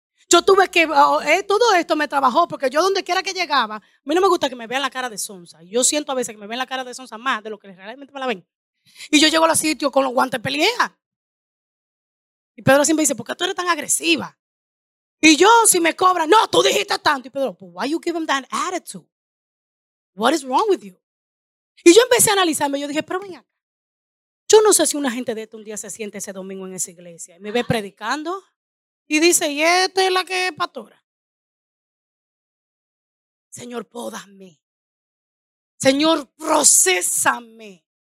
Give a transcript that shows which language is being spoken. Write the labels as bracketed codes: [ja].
[es] Yo tuve que, todo esto me trabajó, porque yo donde quiera que llegaba, a mí no me gusta que me vean la cara de sonsa. Yo siento a veces que me ven la cara de sonsa más de lo que realmente me la ven. Y yo llego a los sitios con los guantes pelea. Y Pedro siempre dice, ¿por qué tú eres tan agresiva? Y yo si me cobran, no, tú dijiste tanto. [en] Y Pedro, why you give him that attitude? What is wrong with you? [es] Y yo empecé a analizarme, yo dije, pero mañana. Yo no sé si una gente de esto un día se siente ese domingo en esa iglesia y me ve predicando y dice, y esta es la que es pastora. Señor, pódame. Señor, procésame.